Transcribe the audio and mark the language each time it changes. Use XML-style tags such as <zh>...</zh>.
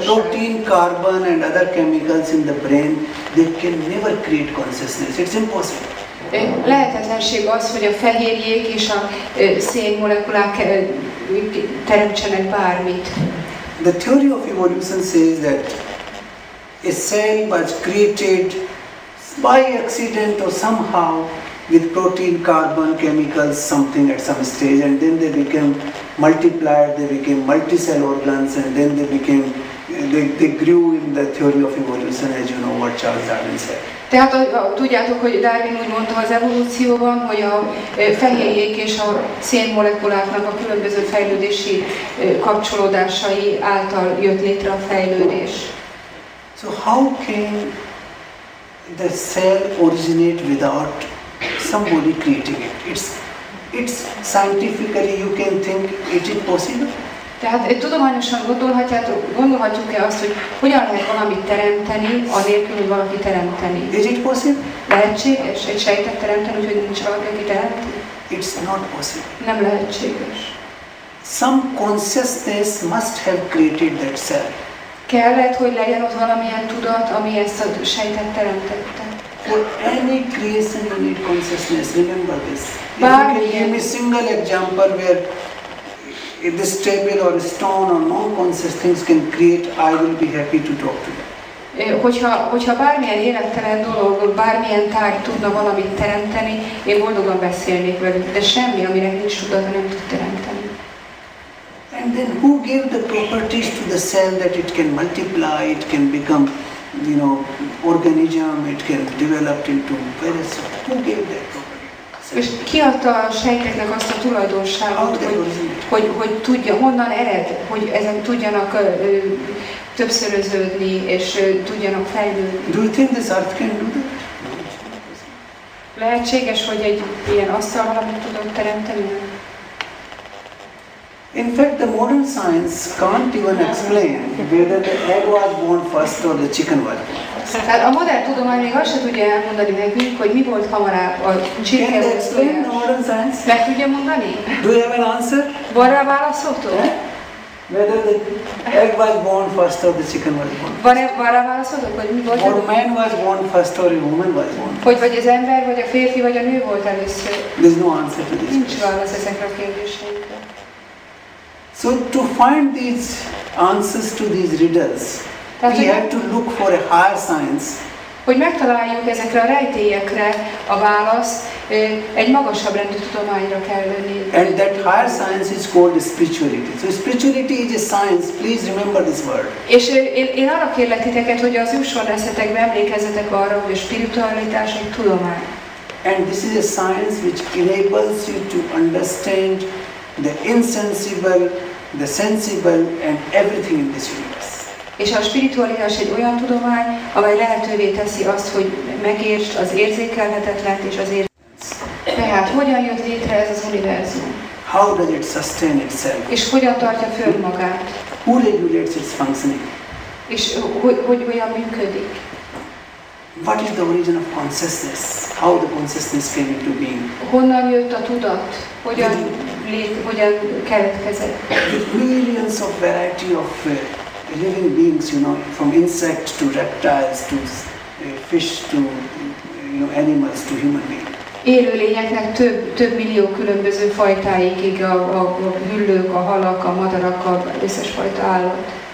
<en>The protein, carbon and other chemicals in the brain, they can never create consciousness. It's impossible.</en> <hu>Lehetetlenség az, hogy a fehérjék és a szén molekulák teremtsenek bármit.</hu> <en>The theory of evolution says that a cell was created by accident or somehow with protein, carbon, chemicals, something at some stage, and then they became multiplied, they became multicell organs, and then they became they grew in the theory of evolution, as you know what Charles Darwin said.</en> <hu>Tehát tudjátok, hogy Darwin úgy mondta az evolúcióban, hogy a fehérjék és a szén molekuláknak a különböző fejlődési kapcsolódásai által jött létre a fejlődés.</hu> <en>So how can the cell originate without somebody creating it? It's scientifically you can think, is it possible?</en> <hu>Tehát tudományosan gondolhatjuk-e azt, hogy hogyan lehet valamit teremteni, anélkül, hogy valaki teremteni?</hu> <en>Is it possible?</en> <hu>Lehetséges egy sejtet teremteni, úgyhogy nincs valaki, aki teremti?</hu> <en>It's not possible.</en> <hu>Nem lehetséges.</hu> <en>Some consciousness must have created that cell.</en> <hu>Kellett, hogy legyen ott valamilyen tudat, ami ezt a sejtet teremtette.</hu> <en>For any creation you need consciousness, remember this. Give me single example where this table or stone or non-conscious things can create, I will be happy to talk to you.</en> <hu>Hogyha bármilyen élettelen dolog, bármilyen tárgy tudna valamit teremteni, én boldogan beszélnék velük, de semmi, amire nincs tudata, nem tud teremteni.</hu> <en>And then who gave the properties to the cell that it can multiply, it can become, you know, organism, it can develop into various, who gave that property?</en> <hu>És ki adta a sejteknek azt a tulajdonságot, hogy tudja, honnan ered, hogy ezek tudjanak többszöröződni és tudjanak fejlődni?</hu> <en>Do you think this earth can do that?</en> <hu>Lehetséges, hogy egy ilyen asztal valamit tudok teremteni?</hu> <en>In fact, the modern science can't even explain whether the egg was born first or the chicken was born.</en> <hu>Tehát a modern tudomány még azt se tudja elmondani nekünk, hogy mi volt hamarabb, a csirke vagy a tojás.</hu> <en>The modern science?</en> <hu>Meg tudja mondani?</hu> <en>Do you have an answer?</en> <hu>Van rá válaszoktok?</hu> <en>Whether the egg was born first or the chicken was born.</en> <hu>Van-e arra válaszoltok, hogy mi volt először?</hu> <en>Or a man was born first or a woman was born.</en> <hu>Hogy vagy az ember, vagy a férfi, vagy a nő volt először?</hu> <en>There's no answer to this.</en> <hu>Nincs válasz ezekre a kérdéseinkre.</hu> <en>So to find these answers to these riddles, we have to look for a higher science.</en> <hu>Hogy megtaláljuk ezekre a rejtélyekre a választ, egy magasabb rendű tudományra kell lenni.</hu> <en>And that higher science is called spirituality. So spirituality is a science. Please remember this word.</en> <hu>És én arra kérlek titeket, hogy az jusson eszetekbe, emlékezzetek arra, hogy a spiritualitás egy tudomány.</hu> <en>And this is a science which enables you to understand the insensible, the sensible, and everything in this universe.</en> <hu>És a spiritualitás egy olyan tudomány, amely lehetővé teszi azt, hogy megértsd az érzékelhetetlent és az érzékelhetetlent. Tehát hogyan jött létre ez az univerzum?</hu> <en>How does it sustain itself?</en> <hu>És hogyan tartja föl magát?</hu> <en>Who regulates its functioning?</en> <hu>És hogy olyan működik?</hu> <en>What is the origin of consciousness? How the consciousness came into being?</en> <hu>Honnan jött a tudat? Hogyan keletkezett?</hu> <en>With millions of variety of living beings, you know, from insect to reptiles to fish to animals to human beings.</en> <hu>Élőlényeknek több millió különböző fajtáig, a hüllők, a halak, a madarak, a összes fajta állat.</hu>